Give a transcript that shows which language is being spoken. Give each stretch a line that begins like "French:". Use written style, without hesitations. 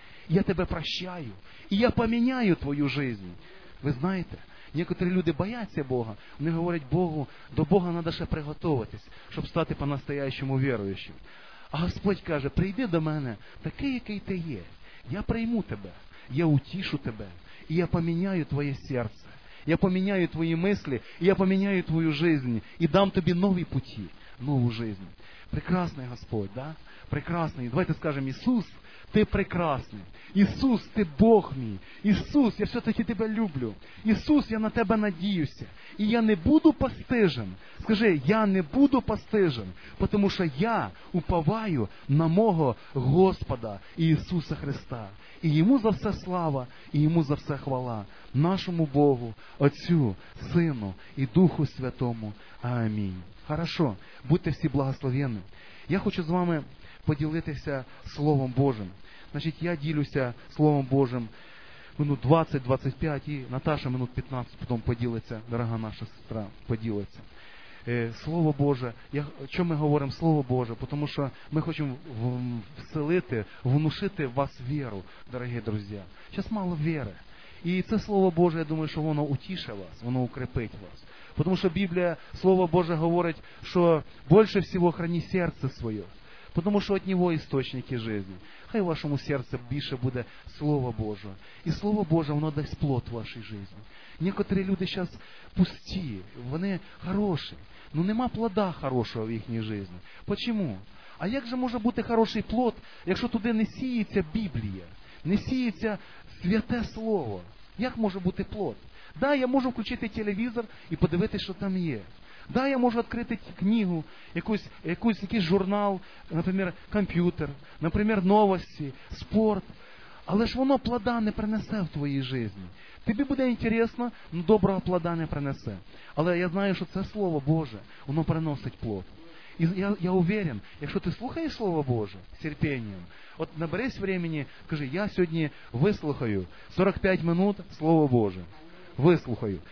Ukrainian: Я тебе прощаю. І я поміняю твою життя. Ви знаєте, некоторі люди бояться Бога. Вони говорять, Богу, до Бога треба ще приготуватись, щоб стати по-настоящему віруючим. А Господь каже, прийди до мене такий, який ти є. Я прийму тебе. Я утішу тебе,
Russian: и я поменяю твое сердце, я поменяю твои мысли, и я поменяю твою жизнь, и дам тебе новые пути, новую жизнь. Прекрасный Господь, да? Прекрасный. Давайте скажем, Иисус, ты прекрасный. Иисус, ты
Ukrainian: Бог мій.
Russian: Иисус, я все-таки тебя люблю. Иисус, я на тебя
Ukrainian: надіюся.
Russian: И я не буду постижен. Скажи, я не буду постижен, потому что я уповаю на мого Господа Иисуса Христа. И Ему за все слава, и Ему за все хвала. Нашему Богу, Отцю, Сыну и Духу Святому. Аминь. Хорошо,
Ukrainian: будьте всі
Russian: благословенны. Я хочу с вами
Ukrainian: поділитися Словом Божим. Значит, я ділюся Словом Божим минут 20-25, і Наташа минут 15 потом поділиться, дорога наша сестра, поділиться. Слово Боже, чому ми говоримо Слово Боже? Тому що ми хочемо вселити, внушити в вас віру, дорогі друзі. Зараз мало віри. І це Слово Боже, я думаю, що воно утішить вас, воно укріпить вас. Тому що Біблія, Слово Боже говорить, що більше всього храні серце своє.
Russian: Потому что от Него источники жизни. Хай в вашему сердце больше будет Слово Божие. И Слово Божие, оно даст плод в вашей жизни. Некоторые люди сейчас пусті, они хорошие. Но нема плода хорошего в их жизни. Почему? А как же может быть хороший плод, если туда не сеется Библия, не сеется Святое Слово? Как может быть плод? Да, я могу включить телевизор и посмотреть, что там есть.
Ukrainian: Да, я можу відкрити книгу, якийсь журнал, наприклад, комп'ютер, наприклад, новості, спорт. Але ж воно плода не принесе в твоїй житті. Тобі буде інтересно, але доброго плода не принесе. Але я знаю, що це Слово Боже, воно приносить плод. І я уверен, якщо ти слухаєш Слово Боже з терпінням, от
Russian: наберись времени,
Ukrainian: кажи, я сьогодні вислухаю 45 минут Слово Боже. Вислухаю.